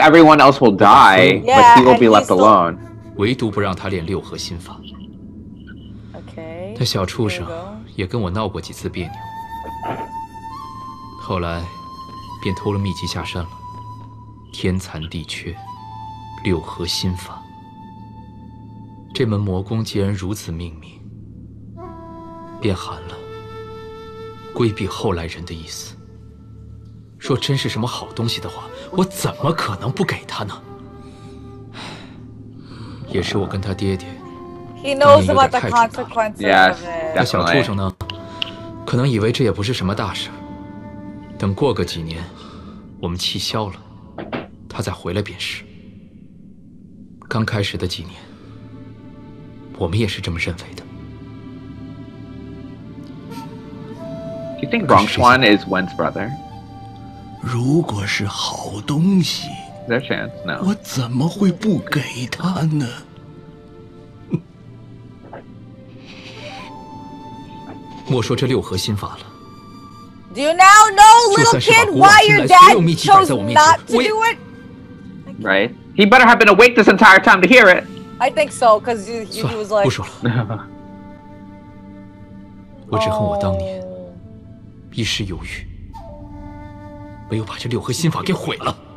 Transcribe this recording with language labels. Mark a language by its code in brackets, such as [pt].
[en] everyone else will die, but he will be left alone. [zh] 唯独不让他练六合心法。 [en] Okay. [zh] 那小畜生也跟我闹过几次别扭，后来便偷了秘籍下山了。天残地缺，六合心法。这门魔功既然如此命名，便含了规避后来人的意思。若真是什么好东西的话，我怎么可能不给他呢？也是我跟他爹爹当年有点太重大了。那小畜生呢，可能以为这也不是什么大事，等过个几年我们气消了，他再回来便是。刚开始的几年我们也是这么认为的。 [en] Do you think Rong Xuan is Wen's brother? [zh] 如果是好东西， [en] Is there a chance? No. [zh] 我怎么会不给他呢？ [en] Do you now know, little kid, why your dad chose not to do it? Right. He better have been awake this entire time to hear it. I think so, because he was like. [zh] 不说了。我只恨我当年一时犹豫，没有把这六合心法给毁了。